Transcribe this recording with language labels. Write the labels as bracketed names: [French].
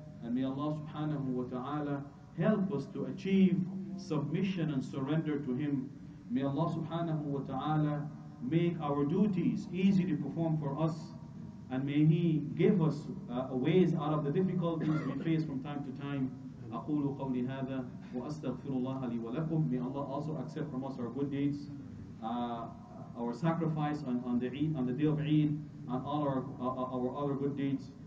[English] And may Allah subhanahu wa ta'ala help us to achieve submission and surrender to Him. May Allah subhanahu wa ta'ala make our duties easy to perform for us. And may He give us ways out of the difficulties we face from time to time. [Arabic] أقول قولي هذا وأستغفر الله لي ولكم. [English] May Allah also accept from us our good deeds, our sacrifice on the day of Eid, and all our other good deeds.